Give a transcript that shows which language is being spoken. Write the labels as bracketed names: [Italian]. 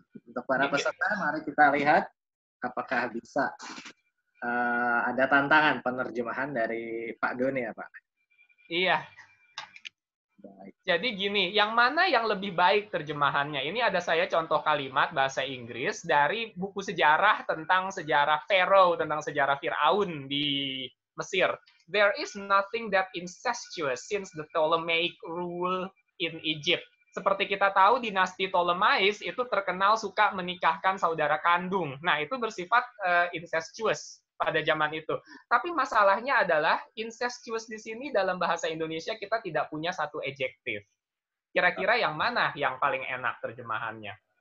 [Indonesian] Untuk para peserta, mari kita lihat apakah bisa ada tantangan penerjemahan dari Pak Doni ya, Pak. Iya. Baik. Jadi gini, yang mana yang lebih baik terjemahannya? Ini ada saya contoh kalimat bahasa Inggris dari buku sejarah tentang sejarah Pharaoh, tentang sejarah Fir'aun di Mesir. [English] There is nothing that incestuous since the Ptolemaic rule in Egypt. [Indonesian] Seperti kita tahu, dinasti Ptolemais itu terkenal suka menikahkan saudara kandung. Nah, itu bersifat incestuous pada zaman itu. Tapi masalahnya adalah incestuous di sini dalam bahasa Indonesia kita tidak punya satu adjective. Kira-kira yang mana yang paling enak terjemahannya?